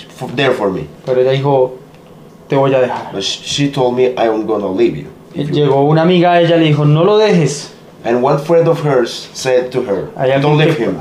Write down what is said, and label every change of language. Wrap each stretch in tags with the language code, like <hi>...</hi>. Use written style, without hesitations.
<en>there for me.</en> <es>Pero ella dijo, te voy a dejar.</es> <en>But she told me, I'm gonna leave you.</en> <es>Llegó una amiga, ella le dijo, no lo dejes.</es> <en>And one friend of hers said to her, don't leave him.</en>